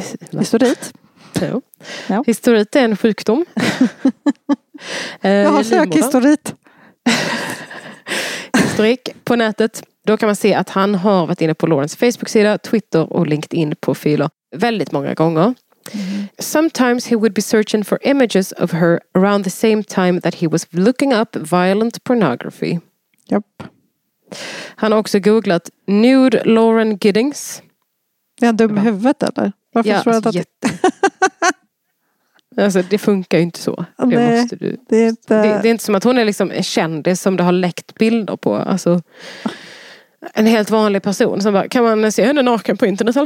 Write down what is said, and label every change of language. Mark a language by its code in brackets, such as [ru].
[sv] Historit? Ja. Historit är en sjukdom. Jag har sökhistorit. Historik på nätet. Då kan man se att han har varit inne på Laurens Facebook-sida, Twitter och LinkedIn-profiler väldigt många gånger. Mm. [en] Sometimes he would be searching for images of her around the same time that he was looking up violent pornography. Yep. [sv] Han har också googlat nude Lauren Giddings. Är han dum i huvudet eller? Varför ja, alltså, att... alltså det funkar ju inte så. Nej, måste du... det är inte som att hon är liksom en kändis som du har läckt bilder på. Alltså, en helt vanlig person som bara, kan man se henne naken på internet eller?